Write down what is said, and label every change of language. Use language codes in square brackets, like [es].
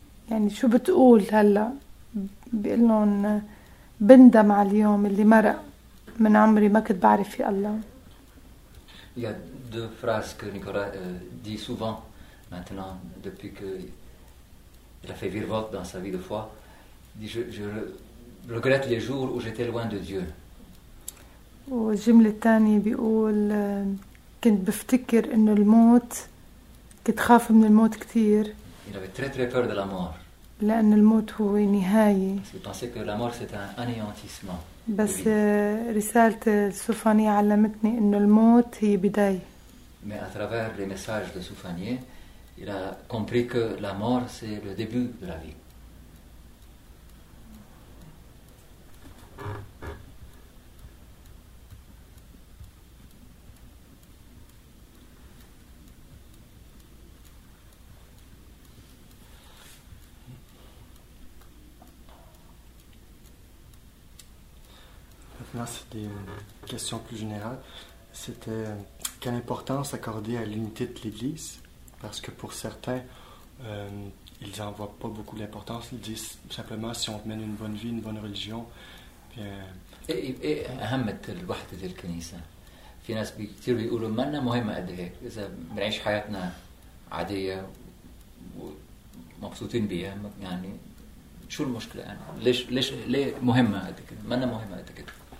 [ar] يعني شو بتقول هلا بيقول لهم بندم على اليوم اللي مرق من عمري ما كنت بعرف في الله. [fr] Il y a deux phrases que Nicolas dit souvent maintenant depuis que il a fait virevolte dans sa vie de foi. Il dit je regrette les jours où j'étais loin de Dieu. [ar] والجمله الثانيه بيقول كنت بفتكر انه الموت كنت خاف من الموت كثير. [fr] Il avait très très peur de la mort. [ar] لان الموت هو نهايه. [fr] Il pensait que la mort c'était un anéantissement. [ar] بس رساله السوفانية علمتني انه الموت هي بدايه. [fr] Mais à travers les messages de Soufanier, il a compris que la mort c'est le début de la vie. Maintenant, c'était une question plus générale. C'était quelle importance accorder à l'unité de l'Église? Parce que pour certains, ils n'en voient pas beaucoup d'importance. Ils disent simplement si on mène une bonne vie, une bonne religion. [ar] إيه أهمت الوحدة الكنيسة. في ناس كتير بيقولوا ما لنا مهمة قد هيك، إذا بنعيش حياتنا عادية ومبسوطين بيها يعني شو المشكلة أنا يعني؟ ليش مهمة قد كده؟ ما لنا مهمة قد كده؟